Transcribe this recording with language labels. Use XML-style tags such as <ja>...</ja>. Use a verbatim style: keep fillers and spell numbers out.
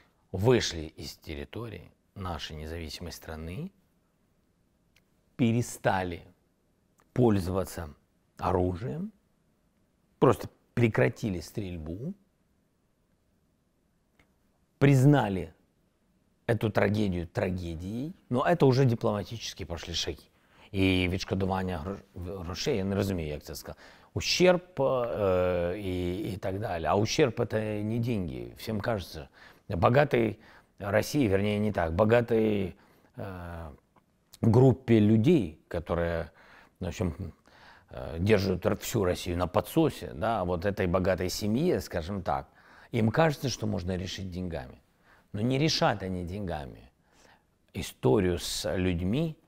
<ru>Вышли из территории нашей независимой страны, перестали пользоваться оружием, просто прекратили стрельбу, признали эту трагедию трагедией, но это уже дипломатически пошли шаги.</ru> <uk>І відшкодування грошей, я не розумію, як це сказати,</uk> <ru>ущерб э, и, и так далее. А ущерб это не деньги, всем кажется. Богатой России, вернее не так, богатой э, группе людей, которые, в общем, держат всю Россию на подсосе, да, вот этой богатой семье, скажем так, им кажется, что можно решить деньгами. Но не решат они деньгами. Историю с людьми,</ru>